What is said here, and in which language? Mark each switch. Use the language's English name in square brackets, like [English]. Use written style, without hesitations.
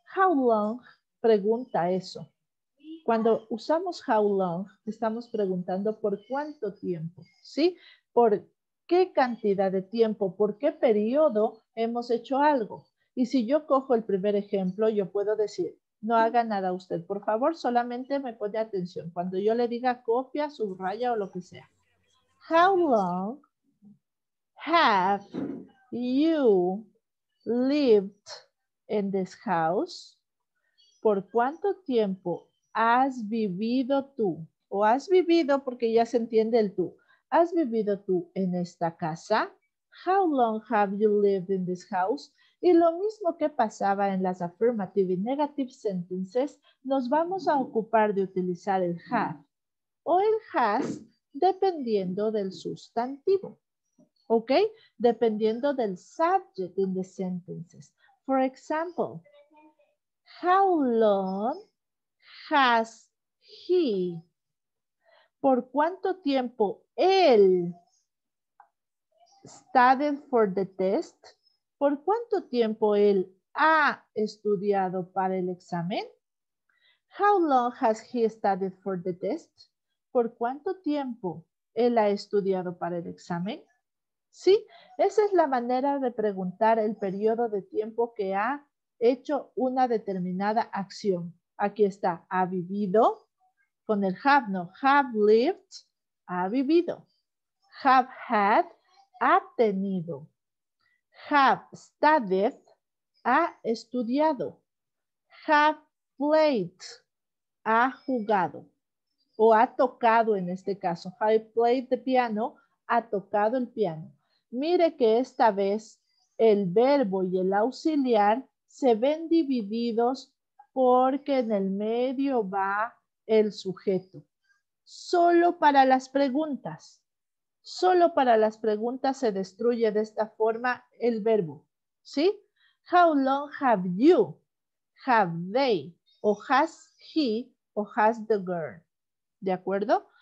[Spanish] How long pregunta eso. Cuando usamos how long, estamos preguntando por cuánto tiempo, ¿sí? Por qué cantidad de tiempo, por qué periodo hemos hecho algo. Y si yo cojo el primer ejemplo, yo puedo decir, no haga nada usted, por favor, solamente me pone atención. Cuando yo le diga copia, subraya o lo que sea. [English] How long have you lived in this house? [Spanish] ¿Por cuánto tiempo has vivido tú? O has vivido, porque ya se entiende el tú. ¿Has vivido tú en esta casa? [English] How long have you lived in this house? [Spanish] Y lo mismo que pasaba en las affirmative y negative sentences, nos vamos a ocupar de utilizar el have o el has dependiendo del sustantivo. ¿Ok? [English] Dependiendo del subject in the sentences. For example, how long has he? [Spanish] ¿Por cuánto tiempo él studied for the test? ¿Por cuánto tiempo él ha estudiado para el examen? [English] How long has he studied for the test? [Spanish] ¿Por cuánto tiempo él ha estudiado para el examen? Sí, esa es la manera de preguntar el periodo de tiempo que ha hecho una determinada acción. Aquí está, ha vivido, con el have, no, have lived, ha vivido. Have had, ha tenido. Have studied, ha estudiado. Have played, ha jugado. O ha tocado en este caso. Have played the piano, ha tocado el piano. Mire que esta vez el verbo y el auxiliar se ven divididos porque en el medio va el sujeto. Solo para las preguntas. Solo para las preguntas se destruye de esta forma el verbo, ¿sí? [English] How long have you, have they, o has he, o has the girl, ¿de acuerdo?